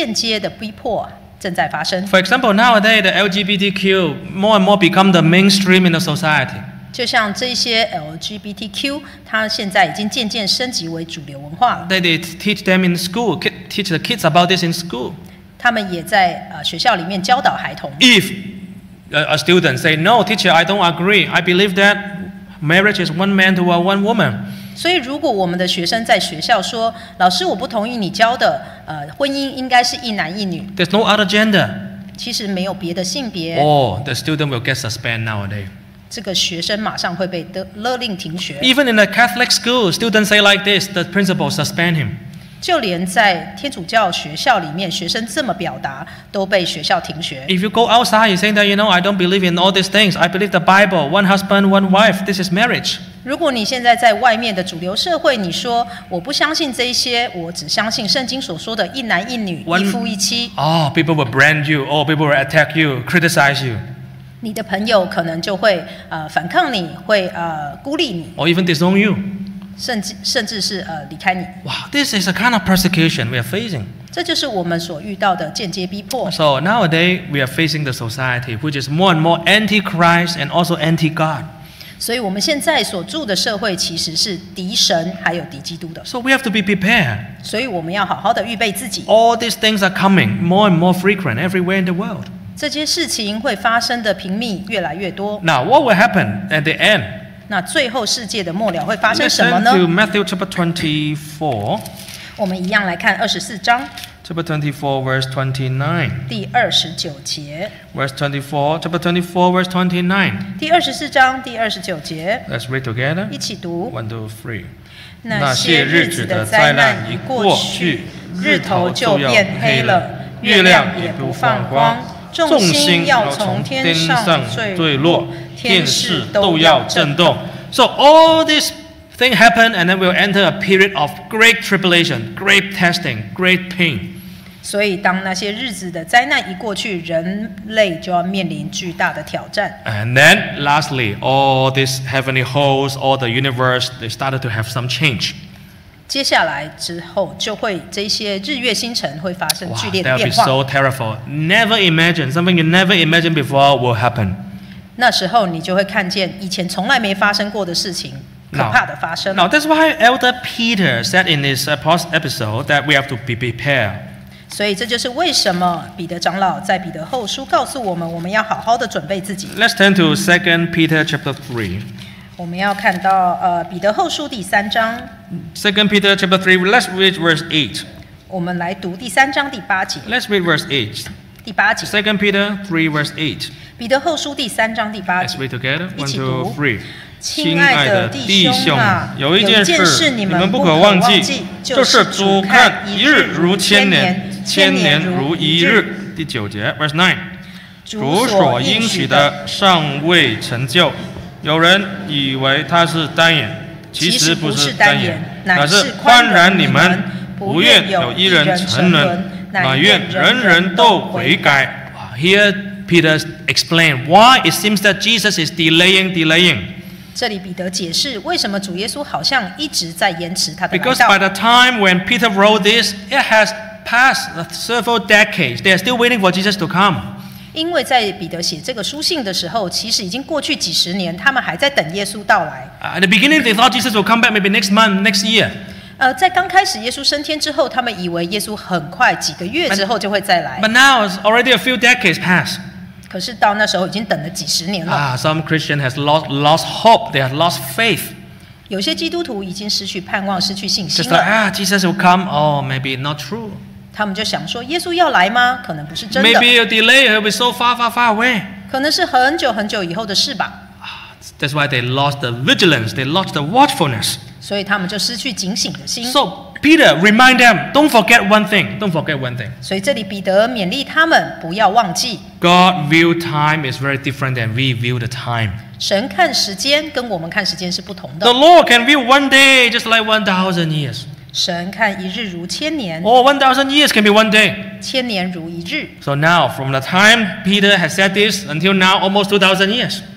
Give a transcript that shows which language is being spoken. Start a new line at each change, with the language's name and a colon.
Chinese: 可是你知道吗？这些间接的逼迫正在发生。
English: For example, nowadays the LGBTQ more and more become the mainstream in the society.
Chinese: 就像这些 LGBTQ， 它现在已经渐渐升级为主流文化了。
English: They teach them in school, teach the kids about this in school.
Chinese: 他们也在 学校里面教导孩童。
English: If a student say no, teacher, I don't agree. I believe that marriage is one man to a one woman.
Chinese: 所以如果我们的学生在学校说，老师，我不同意你教的 婚姻应该是一男一女。
English: There's no other gender.
Chinese: 其实没有别的性别。
English: Oh, the student will get suspended nowadays.
Chinese: 这个学生马上会被勒令停学。
English: Even in a Catholic school, students say like this, the principal suspend him.
Chinese: 就连在天主教学校里面，学生这么表达，都被学校停学。
English: If you go outside, you say that, you know, I don't believe in all these things. I believe the Bible, one husband, one wife, this is marriage.
Chinese: 如果你现在在外面的主流社会，你说我不相信这些，我只相信圣经所说的一男一女、一夫一妻。
English: Oh, people will brand you. Oh, people will attack you, criticize you.
Chinese: 你的朋友可能就会反抗你，会孤立你。
English: Or even disown you.
Chinese: 甚至是离开你。
English: Wow, this is a kind of persecution we are facing.
Chinese: 这就是我们所遇到的间接逼迫。
English: So nowadays we are facing the society which is more and more anti-Christ and also anti-God.
Chinese: 所以我们现在所住的社会其实是敌神还有敌基督的。
English: So we have to be prepared.
Chinese: 所以我们要好好的预备自己。
English: All these things are coming more and more frequent everywhere in the world.
Chinese: 这些事情会发生的频率越来越多。
English: Now what will happen at the end?
Chinese: 那最后世界的末了会发生什么呢？
English: Listen to Matthew chapter 24.
Chinese: 我们一样来看24章。
English: Chapter 24, verse 29.
Chinese: 第二十九节。
English: Verse 24, chapter 24, verse 29.
Chinese: 第二十四章第二十九节。
English: Let's read together.
Chinese: 一起读。
English: One, two, three.
Chinese: 那些日子的灾难已过去，日头就变黑了，月亮也不放光，众星要从天上坠落，天势都要震动。
English: So all this. Thing happen, and then we'll enter a period of great tribulation, great testing, great pain.
Chinese: 所以当那些日子的灾难一过去，人类就要面临巨大的挑战。
English: And then, lastly, all these heavenly hosts, all the universe, they started to have some change.
Chinese: 接下来之后，就会这些日月星辰会发生剧烈的变化。
English: Wow, that would be so terrible. Never imagine something you never imagined before will happen.
Chinese: 那时候你就会看见以前从来没发生过的事情。
English: Now, that's why Elder Peter said in his apostle episode that we have to be prepared.
Chinese: 所以这就是为什么彼得长老在彼得后书告诉我们，我们要好好的准备自己。
English: Let's turn to 2 Peter chapter 3.
Chinese: 我们要看到彼得后书第三章。
English: 2 Peter chapter 3, let's read verse 8.
Chinese: 我们来读第三章第八节。
English: Let's read verse 8.
Chinese: 第八节。
English: 2 Peter 3 verse 8.
Chinese: 彼得后书第三章第八节。
English: Let's read together. 1, 2, 3.
Chinese: 亲爱的弟兄啊，有一件事你们不可忘记，就是主看一日如千年，千年如一日。第九节 ，
English: verse 9，
Chinese: 主所应许的尚未成就。有人以为他是单言，其实不是单言，乃是宽然你们，不愿有一人沉沦，乃愿人人都悔改。
English: Here Peter explained why it seems that Jesus is delaying.
Chinese: 这里彼得解释为什么主耶稣好像一直在延迟他的来到。
English: Because by the time when Peter wrote this, it has passed several decades. They are still waiting for Jesus to come.
Chinese: 因为在彼得写这个书信的时候，其实已经过去几十年，他们还在等耶稣到来。
English: At the beginning, they thought Jesus would come back maybe next month, next year.
Chinese: 在刚开始耶稣升天之后，他们以为耶稣很快几个月之后就会再来。
English: But now it's already a few decades passed.
Chinese: 可是到那时候已经等了几十年了。
English: Some Christians have lost hope. They have lost faith.
Chinese: 有些基督徒已经失去盼望，失去信心了。
English: Just like, Jesus will come. Oh, maybe not true.
Chinese: 他们就想说，耶稣要来吗？可能不是真的。
English: Maybe a delay. It will be so far, far, far away.
Chinese: 可能是很久很久以后的事吧。
English: That's why they lost the vigilance. They lost the watchfulness.
Chinese: 所以他们就失去警醒的心。
English: So Peter, remind them. Don't forget one thing. Don't forget one thing.
Chinese: 所以这里彼得勉励他们不要忘记。
English: God view time is very different than we view the time.
Chinese: 神看时间跟我们看时间是不同的。
English: The Lord can view one day just like 1,000 years.
Chinese: 神看一日如千年。
English: Or 1,000 years can be one day.
Chinese: 千年如一日。
English: So now, from the time Peter has said this until now, almost 2,000 years.